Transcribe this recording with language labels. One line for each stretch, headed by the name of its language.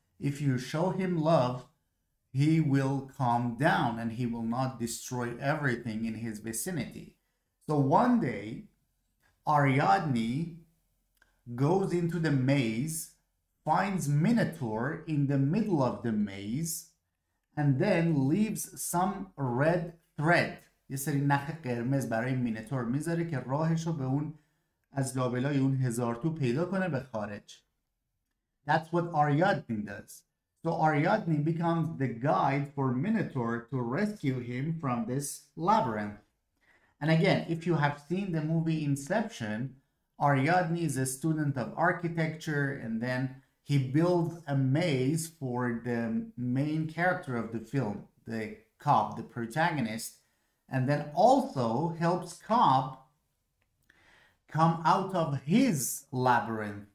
English: If you show him love, he will calm down and he will not destroy everything in his vicinity. So one day, Ariadne goes into the maze, finds Minotaur in the middle of the maze, and then leaves some red thread.
Persian: یه سری نخ قرمز برای مینوتور میذاره که راهشو به اون از لابلای اون هزار تو پیدا کنه به خارج.
English: That's what Ariadne does. So Ariadne becomes the guide for Minotaur to rescue him from this labyrinth. And again, if you have seen the movie Inception, Ariadne is a student of architecture, and then he builds a maze for the main character of the film, the cop, the protagonist, and then also helps cop come out of his labyrinth.